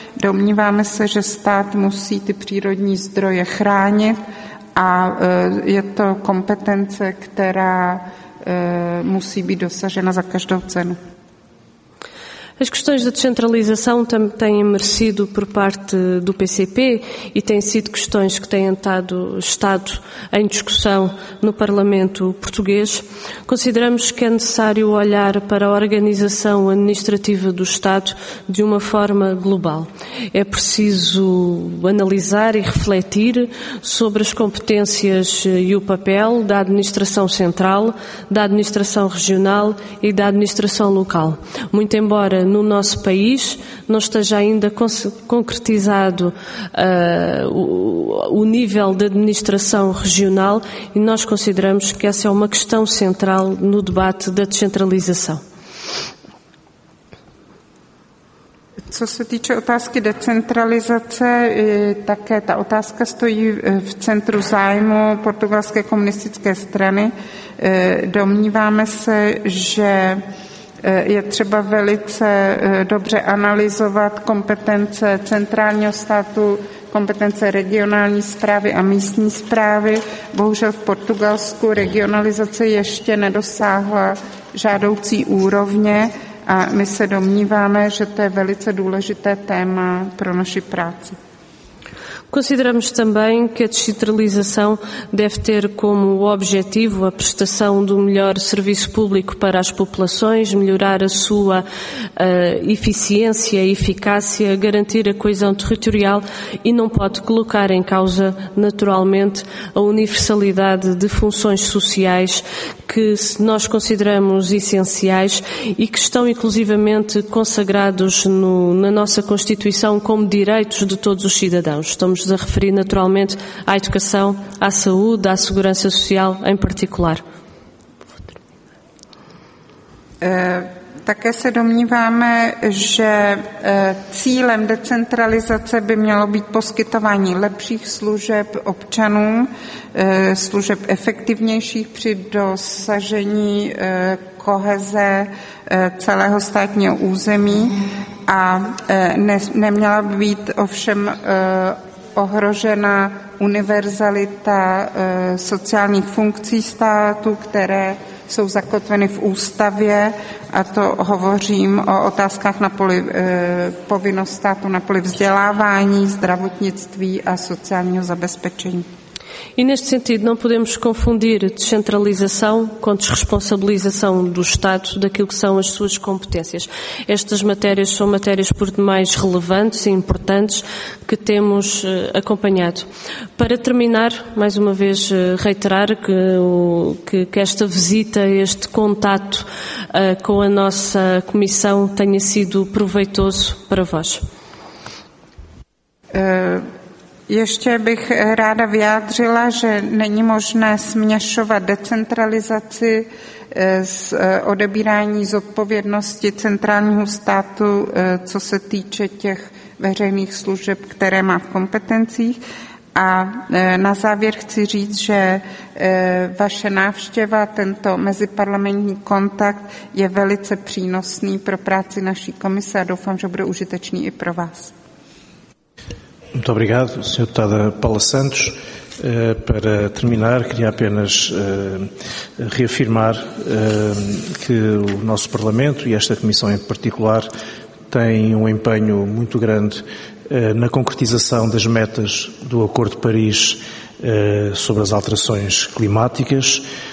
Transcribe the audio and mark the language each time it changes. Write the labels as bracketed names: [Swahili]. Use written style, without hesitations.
[Czech] Domníváme se, že stát musí ty přírodní zdroje chránit a je to kompetence, která musí být dosažena za každou cenu. [Portuguese] As questões da descentralização também têm merecido por parte do PCP e têm sido questões que têm estado em discussão no Parlamento português. Consideramos que é necessário olhar para a organização administrativa do Estado de uma forma global. É preciso analisar e refletir sobre as competências e o papel da administração central, da administração regional e da administração local. Muito embora no nosso país não esteja ainda concretizado o nível de administração regional e nós consideramos que essa é uma questão central no debate da descentralização. [Czech] Co se týče otázky decentralizace, také ta otázka stojí v centru zájmu Portugalské komunistické strany. Domníváme se, že je třeba velice dobře analyzovat kompetence centrálního státu kompetence regionální správy a místní správy. Bohužel v Portugalsku regionalizace ještě nedosáhla žádoucí úrovně a my se domníváme, že to je velice důležité téma pro naši práci. [Portuguese] Consideramos também que a descentralização deve ter como objetivo a prestação do melhor serviço público para as populações, melhorar a sua eficiência e eficácia, garantir a coesão territorial e não pode colocar em causa, naturalmente, a universalidade de funções sociais que nós consideramos essenciais e que estão inclusivamente consagrados no, na nossa Constituição como direitos de todos os cidadãos. Estamos a referir naturalmente à educação, à saúde, à segurança social em particular. [Czech] Také se domníváme, že cílem decentralizace by mělo být poskytování lepších služeb občanům, služeb efektivnějších při dosažení koheze celého státního území a neměla by být ovšem ohrožena univerzalita sociálních funkcí státu, které jsou zakotveny v ústavě, a to hovořím o otázkách na poli povinnost státu na poli vzdělávání, zdravotnictví a sociálního zabezpečení. [Portuguese] E neste sentido, não podemos confundir descentralização com desresponsabilização do Estado daquilo que são as suas competências. Estas matérias são matérias por demais relevantes e importantes que temos acompanhado. Para terminar, mais uma vez reiterar que esta visita, este contacto com a nossa Comissão tenha sido proveitoso para vós. [Czech] Ještě bych ráda vyjádřila, že není možné směšovat decentralizaci s odebírání zodpovědnosti centrálního státu, co se týče těch veřejných služeb, které má v kompetencích. A na závěr chci říct, že vaše návštěva, tento meziparlamentní kontakt je velice přínosný pro práci naší komise a doufám, že bude užitečný i pro vás. [Portuguese] Muito obrigado, Sr. Deputada Paula Santos. Para terminar, queria apenas reafirmar que o nosso Parlamento e esta Comissão em particular têm um empenho muito grande na concretização das metas do Acordo de Paris sobre as alterações climáticas.